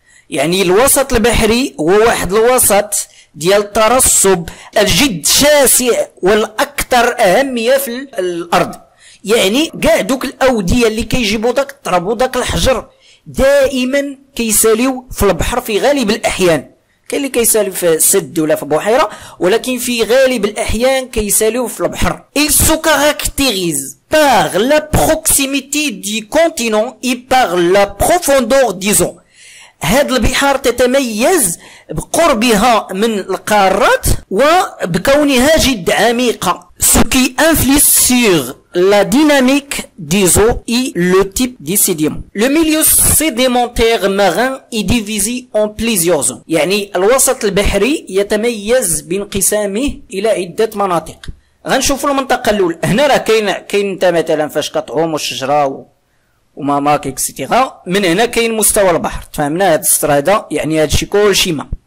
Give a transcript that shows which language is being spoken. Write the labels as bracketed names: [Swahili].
[Arabic] يعني الوسط البحري هو واحد الوسط ديال الترسب الجد شاسع والاكثر اهميه في الارض، يعني كاع دوك الاوديه اللي كيجيبوا داك طربوا داك الحجر دائما كيساليو في البحر في غالب الاحيان، كاين اللي كيساليو في سد ولا في بحيره، ولكن في غالب الاحيان كيساليو في البحر. [French] il se caractérise par la proximité du continent et par la profondeur des eaux، [Arabic] هاد البحار تتميز بقربها من القارات وبكونها جد عميقة. [French] Ce qui influence sur la dynamique des eaux et le type des sédiments. Le milieu sédimentaire marin est divisé en plusieurs zones. [Arabic] يعني الوسط البحري يتميز بانقسامه الى عدة مناطق. غنشوفوا المنطقة الاولى، هنا راه كاين انت مثلا فاش كتعوم الشجرة وما ماك اكسيتيغا، من هنا كاين مستوى البحر، تفهمنا هاد السطر هذا، يعني هادشي كلشي ما.